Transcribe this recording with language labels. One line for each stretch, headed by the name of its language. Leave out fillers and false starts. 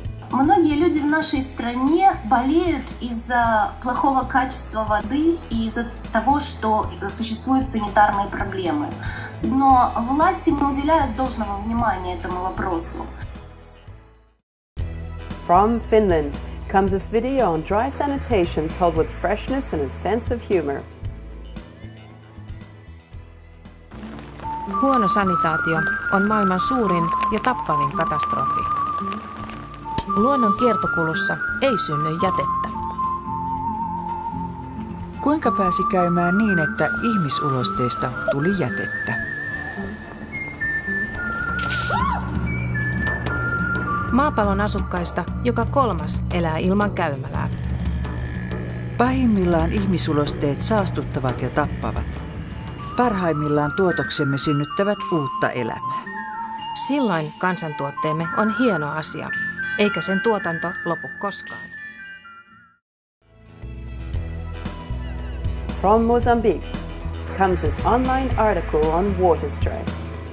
Russian: Многие люди в нашей стране болеют из-за плохого качества воды и из-за того, что существуют санитарные проблемы. Но власти не уделяют должного внимания этому вопросу.
English: From Finland comes this video on dry sanitation told with freshness and a sense of humor.
Finnish: Huono sanitaatio on maailman suurin ja tappavin katastrofi. Luonnon kiertokulussa ei synny jätettä. Kuinka pääsi käymään niin, että ihmisulosteista tuli jätettä? Maapallon asukkaista joka kolmas elää ilman käymälää. Pahimmillaan ihmisulosteet saastuttavat ja tappavat. Parhaimmillaan tuotoksemme synnyttävät uutta elämää. Silloin kansantuotteemme on hieno asia. Eikä sen tuotanto lopu koskaan.
English: From Mozambique comes this online article on water stress.